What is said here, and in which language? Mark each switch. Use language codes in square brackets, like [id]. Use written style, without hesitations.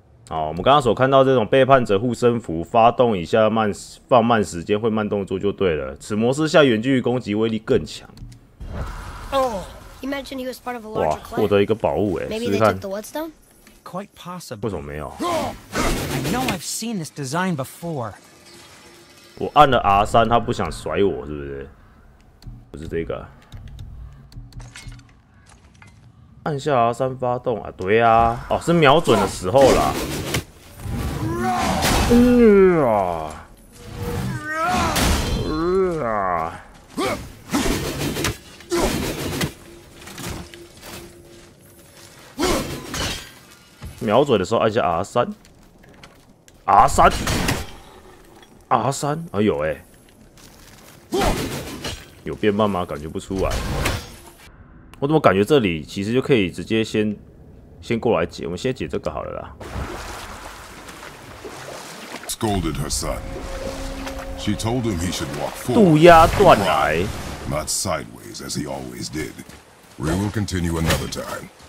[zh] 哦，我们刚刚所看到这种背叛者护身符，发动一下放慢时间会慢动作就对了。此模式下远距离攻击威力更强。哇，获得一个宝物哎、欸！试试看。 [en] Quite possible. [zh] 为什么没有 [en] ？I know I've seen this design before. [zh] 我按了 R 三，他不想甩我，是不是？不是这个。按下 R 三发动啊？对啊，哦，是瞄准的时候啦。瞄准的时候按下 R3 啊有哎、欸，有变慢吗？感觉不出来。我怎么感觉这里其实就可以直接先过来解，我们先解这个好了啦。 [en] Scolded her son. She told him he should walk forward. [zh] 渡鸦断崖。 [en] Not sideways as he always did. We will continue another time.